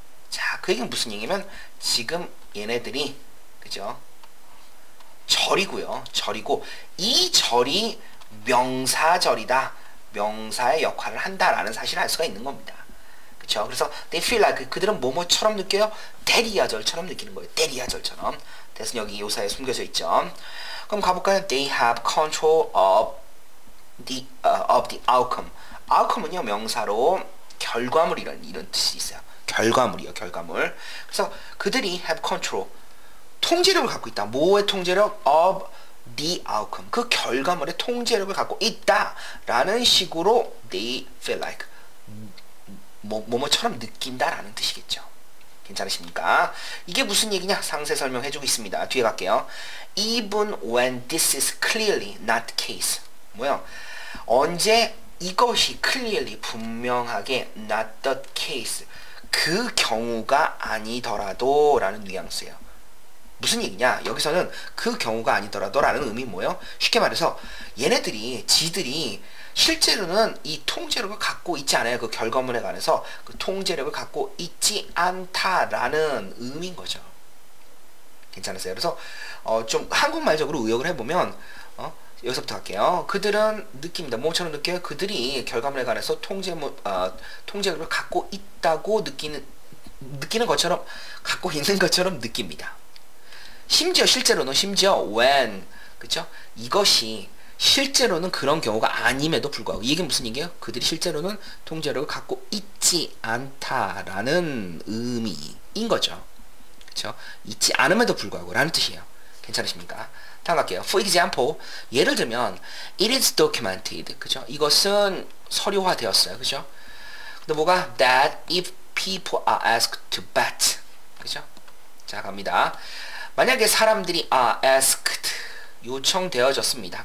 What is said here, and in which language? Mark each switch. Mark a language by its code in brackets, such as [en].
[ko] 자, 그 얘기는 무슨 얘기냐면 지금 얘네들이 그죠? 절이고요. 절이고 이 절이 명사절이다. 명사의 역할을 한다라는 사실을 알 수가 있는 겁니다. 그죠? 그래서 [en] they feel like [ko] 그들은 뭐뭐처럼 느껴요? 대리야절처럼 느끼는 거예요. 대리야절처럼. 그래서 여기 요사에 숨겨져 있죠. 그럼 가볼까요? [en] They have control of the outcome. [ko] outcome은요. 명사로 결과물이라는 이런 뜻이 있어요. 결과물이요. 결과물. 그래서 그들이 [en] have control. [ko] 통제력을 갖고 있다. 뭐의 통제력? [en] of the outcome. [ko] 그 결과물의 통제력을 갖고 있다. 라는 식으로 [en] they feel like. [ko] 뭐뭐처럼 느낀다. 라는 뜻이겠죠. 괜찮으십니까? 이게 무슨 얘기냐? 상세 설명해주고 있습니다. 뒤에 갈게요. [en] Even when this is clearly not the case. [ko] 뭐요? 언제 이것이 clearly 분명하게 [en] not the case [ko] 그 경우가 아니더라도 라는 뉘앙스예요. 무슨 얘기냐? 여기서는 그 경우가 아니더라도 라는 의미 뭐예요? 쉽게 말해서 얘네들이 지들이 실제로는 이 통제력을 갖고 있지 않아요. 그 결과물에 관해서 그 통제력을 갖고 있지 않다라는 의미인 거죠. 괜찮으세요? 그래서 좀 한국말적으로 의역을 해보면 여기서부터 할게요. 그들은 느낍니다. 뭐처럼 느껴요? 그들이 결과물에 관해서 통제력을 갖고 있다고 느끼는 것처럼 갖고 있는 것처럼 느낍니다. 심지어 when 그죠? 이것이 실제로는 그런 경우가 아님에도 불구하고 이 얘기는 무슨 얘기예요? 그들이 실제로는 통제력을 갖고 있지 않다라는 의미인 거죠. 그죠? 있지 않음에도 불구하고 라는 뜻이에요. 괜찮으십니까? 다음 갈게요. [en] For example, [ko] 예를 들면 [en] it is documented. [ko] 그죠? 이것은 서류화 되었어요. 그죠? 근데 뭐가? [en] that if people are asked to bet. [ko] 그죠? 자, 갑니다. 만약에 사람들이 [en] are asked [ko] 요청되어졌습니다.